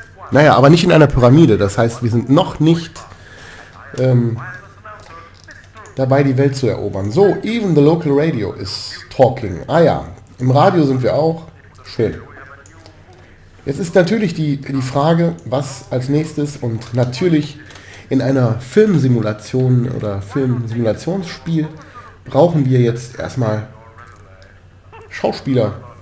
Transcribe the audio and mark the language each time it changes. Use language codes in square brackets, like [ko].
[de] Naja, aber nicht in einer Pyramide. Das heißt, wir sind noch nicht dabei, die Welt zu erobern. [en] So, even the local radio is talking. [de] Ah ja, im Radio sind wir auch. Schön. Jetzt ist natürlich die Frage, was als nächstes und natürlich in einer Filmsimulation oder Filmsimulationsspiel brauchen wir jetzt erstmal Schauspieler.